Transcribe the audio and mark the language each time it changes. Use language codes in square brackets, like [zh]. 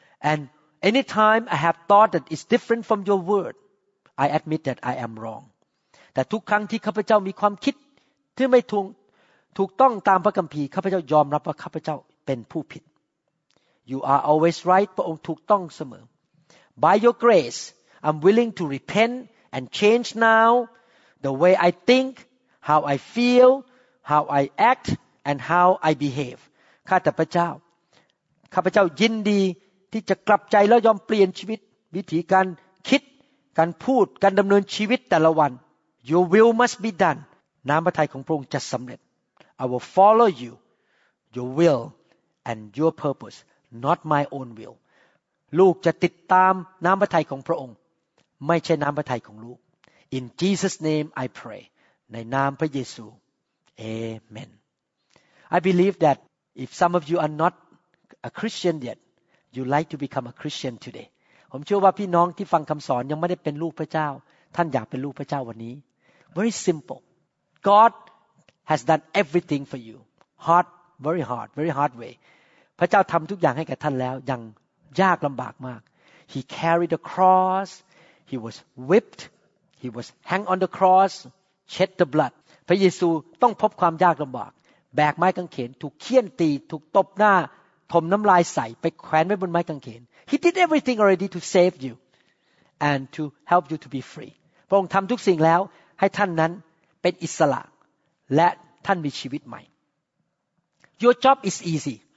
[en] And anytime I have thought that is different from your word I admit that I am wrong [th] แต่ทุกครั้งที่ข้าพเจ้ามีความคิดที่ไม่ถูกต้องตามพระคัมภีร์ข้าพเจ้ายอมรับว่าข้าพเจ้าเป็นผู้ผิด [en] You are always right [th] พระองค์ถูกต้องเสมอ [en] By your grace I'm willing to repent and change nowThe way I think, how I feel, how I act, and how I behave. [th] ข้าแต่พระเจ้าข้าพเจ้ายินดีที่จะกลับใจแล้วยอมเปลี่ยนชีวิตวิธีการคิดการพูดการดำเนินชีวิตแต่ละวัน [en] Your will must be done. [th] น้ำพระทัยของพระองค์จะสำเร็จ [en] I will follow you. your will and your purpose, not my own will. [th] ลูกจะติดตามน้ำพระทัยของพระองค์ไม่ใช่น้ำพระทัยของลูก [en] In Jesus' name I pray. [th] ในนามพระเยซู Amen. [en] I believe that if some of you are not a Christian yet, you'd like to become a Christian today. [th] ผมเชื่อว่าพี่น้องที่ฟังคำสอนยังไม่ได้เป็นลูกพระเจ้าท่านอยากเป็นลูกพระเจ้าวันนี้ [en] Very simple. God has done everything for you. Hard, very hard, very hard way. [th] พระเจ้าทำทุกอย่างให้แก่ท่านแล้วยังยากลำบากมาก [en] He carried the cross. He was whipped. He was hanged on the cross, shed the blood. [th] พระเยซูต้องพบความยากลำบากแบกไม้กางเขนถูกเฆี่ยนตีถูกตบหน้าถมน้ำลายใส่ไปแขวนไว้บนไม้กางเขน [en] He did everything already to save you and to help you to be free. [th] พระองค์ทำทุกสิ่งแล้วให้ท่านนั้นเป็นอิสระและท่านมีชีวิตใหม่ [en] Your job is easy.